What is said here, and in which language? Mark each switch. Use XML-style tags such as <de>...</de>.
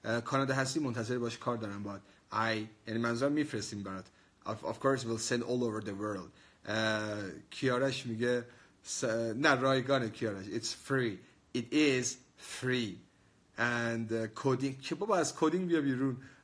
<fa>کانادا هستی منتظر باش کار دارم باید. یعنی منظورم میفرستیم برات.</fa> <en>Of course we'll send all over the world.</en> <fa>کیارش میگه نه رایگانه کیارش.</fa> <en>It's free. It is free. And coding.</en> <fa>که بابا از کودینگ بیا بیرون.</fa>